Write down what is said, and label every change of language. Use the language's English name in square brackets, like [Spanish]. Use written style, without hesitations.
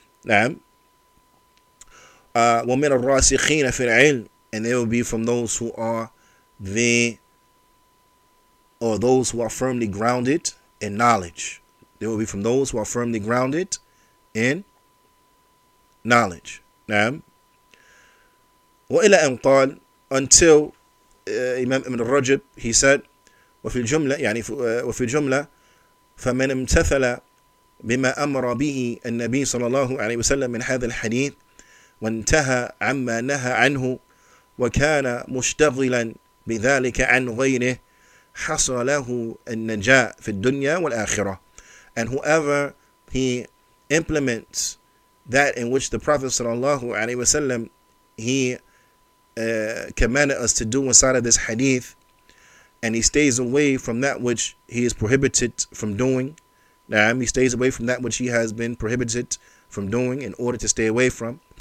[English] Na'am. [Arabic] ومن الراسخين في العلم, [English] and they will be from those who are the, or those who are firmly grounded in knowledge. They will be from those who are firmly grounded in knowledge. نعم. [Arabic] وإلى أن قال, [English] until Imam Ibn Rajab, he said, [Arabic] وفي الجملة يعني وفي الجملة فمن امتثل بما أمر به النبي صلى الله عليه وسلم من هذا الحديث وانتهى عما نهى عنه وكان مشتغلا بذلك عن غيره حصل له النجاة في الدنيا والآخرة. [English] And whoever he implements that in which the Prophet sallallahu alaihi wasallam he commanded us to do inside of this hadith, and he stays away from that which he is prohibited from doing, نعم, he stays away from that which he has been prohibited from doing in order to stay away from,